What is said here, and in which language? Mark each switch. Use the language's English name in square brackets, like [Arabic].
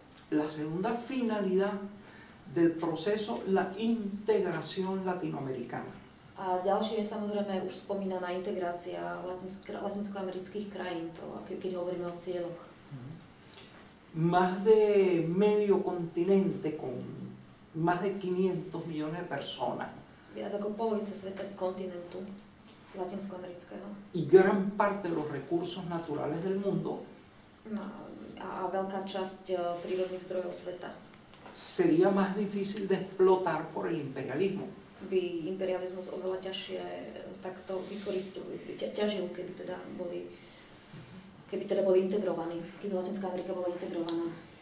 [Spanish] La segunda finalidad del proceso, la integración latinoamericana. [Slovak] A ďalšie je samozrejme už spomínaná integrácia latinskoamerických krajín, to, keď hovoríme o cieľoch. [Spanish] Más de medio continente con más de 500 millones de personas. [Slovak] Viac ako polovica sveta kontinentu latinskoamerického. [Spanish] Y gran parte de los recursos naturales del mundo. [Slovak] A veľká časť prírodných zdrojov sveta. [Spanish] Sería más difícil de explotar por el imperialismo. [Slovak] By imperializmus oveľa ťažšie takto ťažil, keby teda boli integrovaní, keby Latinská Amerika bola integrovaná.